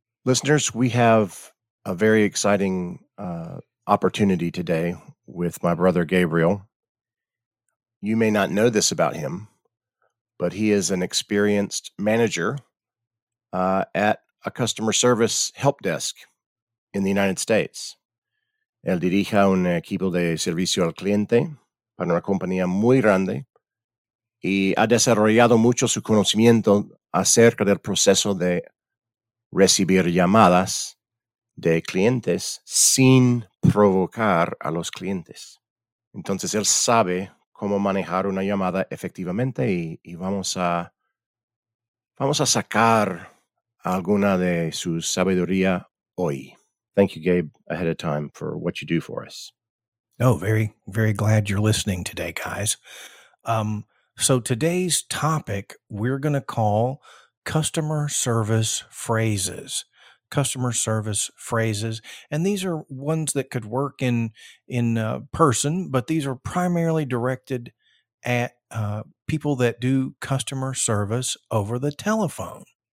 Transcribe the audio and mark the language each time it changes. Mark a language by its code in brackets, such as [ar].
[en] Listeners, we have a very exciting opportunity today with my brother Gabriel. You may not know this about him, but he is an experienced manager at a customer service help desk in the United States. [es] Él dirige un equipo de servicio al cliente para una compañía muy grande y ha desarrollado mucho su conocimiento acerca del proceso de recibir llamadas de clientes sin provocar a los clientes. Entonces, él sabe cómo manejar una llamada efectivamente y vamos a sacar alguna de su sabiduría hoy. [en] Thank you, Gabe, ahead of time for what you do for us. Oh, very, very glad you're listening today, guys. So today's topic, we're going to call customer service phrases. Customer service phrases. And these are ones that could work in person, but these are primarily directed at people that do customer service over the telephone.